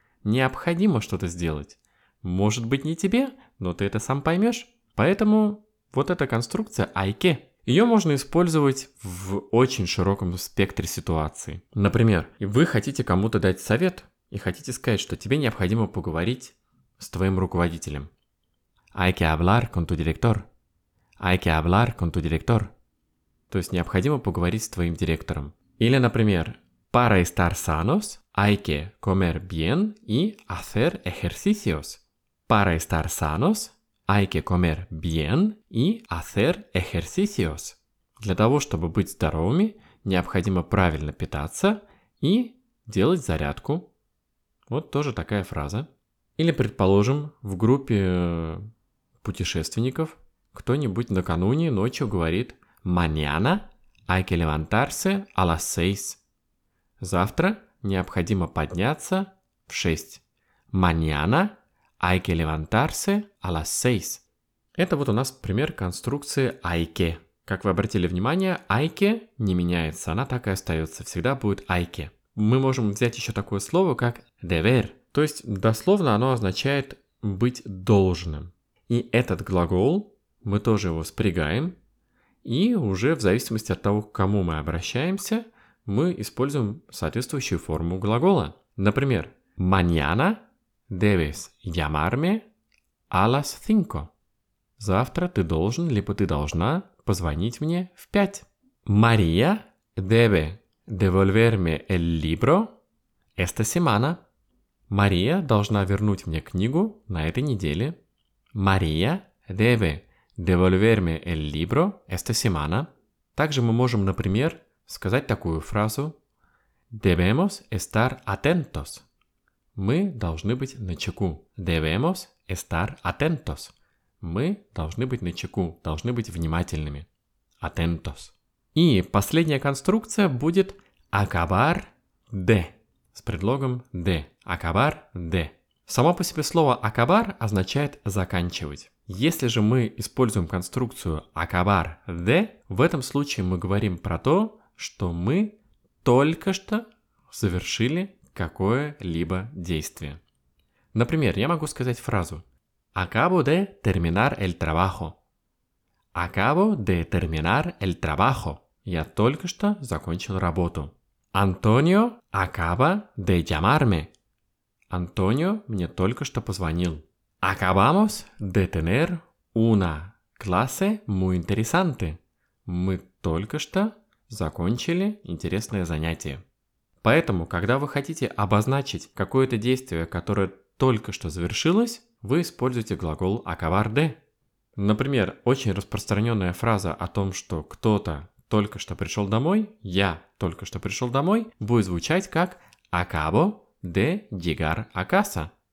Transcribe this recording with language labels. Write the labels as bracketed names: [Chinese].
[Russian] Необходимо что-то сделать. Может быть, не тебе, но ты это сам поймешь. Поэтому вот эта конструкция [Spanish] «hay que». [Russian] Ее можно использовать в очень широком спектре ситуаций. Например, вы хотите кому-то дать совет и хотите сказать, что тебе необходимо поговорить с твоим руководителем. [Spanish] Hay que hablar con tu director. Hay que hablar con tu director. [Russian] То есть необходимо поговорить с твоим директором. Или, например, [Spanish] para estar sanos hay que comer bien y hacer ejercicios. Para estar sanos hay que comer bien y hacer ejercicios. [Russian] Для того, чтобы быть здоровыми, необходимо правильно питаться и делать зарядку. Вот тоже такая фраза. Или, предположим, в группе путешественников кто-нибудь накануне ночью говорит [Spanish] «Mañana hay que levantarse a las seis». [Russian] Завтра необходимо подняться в шесть. [Spanish] «Mañana hay que levantarse a las seis». [Russian] Это вот у нас пример конструкции [Spanish] «hay que». [Russian] Как вы обратили внимание, «hay que» не меняется, она так и остается, всегда будет «hay que». Мы можем взять еще такое слово, как «deber». То есть, дословно, оно означает «быть должным». И этот глагол мы тоже его спрягаем. И уже в зависимости от того, к кому мы обращаемся, мы используем соответствующую форму глагола. Например, [Spanish] «mañana debes llamarme a las cinco». [Russian] Завтра ты должен, либо ты должна позвонить мне в пять. [Spanish] «María debe devolverme el libro esta semana». [Russian] Мария должна вернуть мне книгу на этой неделе. [Spanish] Мария debe devolverme el libro esta semana. [Russian] Также мы можем, например, сказать такую фразу. [Spanish] Debemos estar atentos. [Russian] Мы должны быть начеку. [Spanish] Debemos estar atentos. [Russian] Мы должны быть начеку, должны быть внимательными. [Spanish] Atentos. [Russian] И последняя конструкция будет acabar de. С предлогом de. [Spanish] Acabar de. [Russian] Само по себе слово acabar означает заканчивать. Если же мы используем конструкцию acabar de, в этом случае мы говорим про то, что мы только что совершили какое-либо действие. Например, я могу сказать фразу [Spanish] Acabo de terminar el trabajo. Acabo de terminar el trabajo. [Russian] Я только что закончил работу. [Spanish] Antonio acaba de llamarme. [Russian] Antonio мне только что позвонил. [Spanish] Acabamos de tener una clase muy interesante. [Russian] Мы только что закончили интересное занятие. Поэтому, когда вы хотите обозначить какое-то действие, которое только что завершилось, вы используете глагол acabar de. Например, очень распространенная фраза о том, что кто-то только что пришел домой, я только что пришел домой, будет звучать как [Spanish] acabo de llegar a casa.